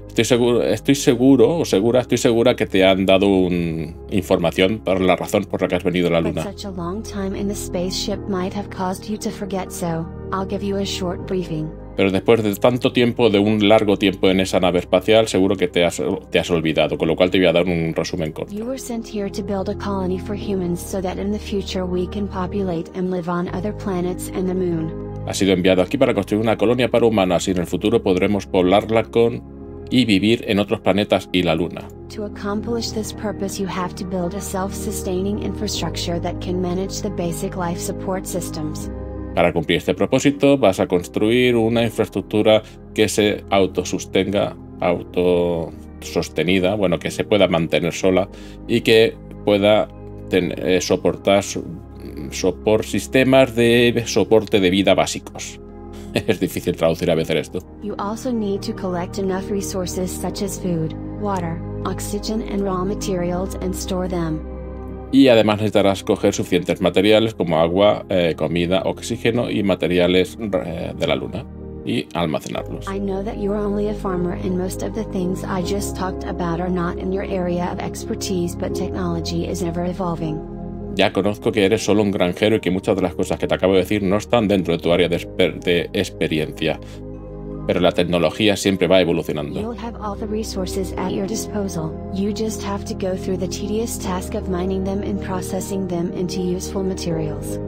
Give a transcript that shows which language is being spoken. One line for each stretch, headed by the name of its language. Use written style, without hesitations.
Spanish: Estoy segura que te han dado información por la razón por la que has venido a la luna.
English: But such a long time in the spaceship might have caused you to forget, so I'll give you a short briefing.
Spanish: Pero después de tanto tiempo, de un largo tiempo en esa nave espacial, seguro que te has olvidado, con lo cual te voy a dar un resumen corto.
English: You were sent here to build a colony for humans so that in the future we can populate and live on other planets and the moon.
Spanish: Has sido enviado aquí para construir una colonia para humanos y en el futuro podremos poblarla con y vivir en otros planetas y la luna.
English: To accomplish this purpose, you have to build a self-sustaining infrastructure that can manage the basic life support systems.
Spanish: Para cumplir este propósito, vas a construir una infraestructura que se autosostenga, autosostenida, bueno, que se pueda mantener sola y que pueda soportar sistemas de soporte de vida básicos. Es difícil traducir a veces esto.
English: You also need to collect enough resources such as food, water, oxygen and raw materials and store them.
Spanish: Y además necesitarás coger suficientes materiales como agua, comida, oxígeno y materiales de la luna y almacenarlos.
English: I know that you are only a farmer and most of the things I just talked about are not in your area of expertise, but technology is ever evolving.
Spanish: Ya conozco que eres solo un granjero y que muchas de las cosas que te acabo de decir no están dentro de tu área de experiencia. Pero la tecnología siempre va evolucionando.
English: You'll have all the resources at your disposal. You just have to go through the tedious task of mining them and processing them into useful materials.